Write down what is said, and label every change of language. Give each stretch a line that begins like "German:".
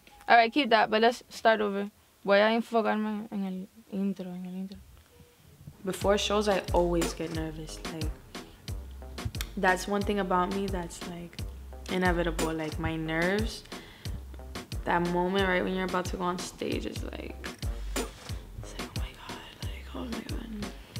English: All right, keep that, but let's start over.
Spanish: Voy a enfocarme en el intro, en el intro.
English: Before shows, I always get nervous. Like, that's one thing about me that's like inevitable. Like, my nerves, that moment right when you're about to go on stage is like, it's like, oh my God, like, oh my God.